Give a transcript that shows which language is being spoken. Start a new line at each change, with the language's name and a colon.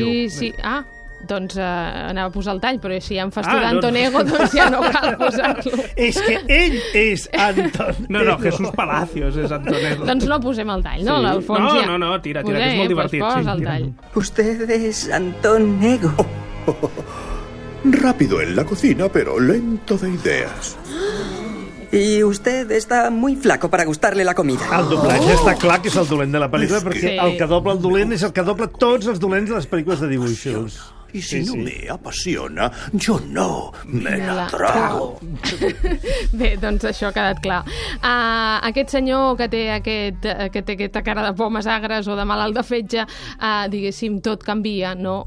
Catalan: Sí, sí, ah. Doncs anava a posar el tall, però si ja em fas tu d'Anton Ego, doncs ja no cal posar-lo. És que ell és Anton Ego. No, Jesús Palacios és Anton Ego. Doncs no posem el tall, no? Sí. Fons, no, ja. No, tira, tira, que és molt divertit. Pues posa el tall.
Spanish: Usted es Anton Ego. Oh, oh, oh. Rápido en la cocina, pero lento de ideas. Y usted está muy flaco para gustarle la comida.
Catalan: El doblatge està clar que és el dolent de la pel·lícula, es perquè que... el que dobla el dolent és el que dobla tots els dolents de les pel·lícules de dibuixos. I si sí, no me apassiona, jo no me la trago. Bé, doncs això ha quedat clar. Aquest senyor que té, aquesta cara de pomes agres o de malalt de fetge, diguéssim, tot canvia, no?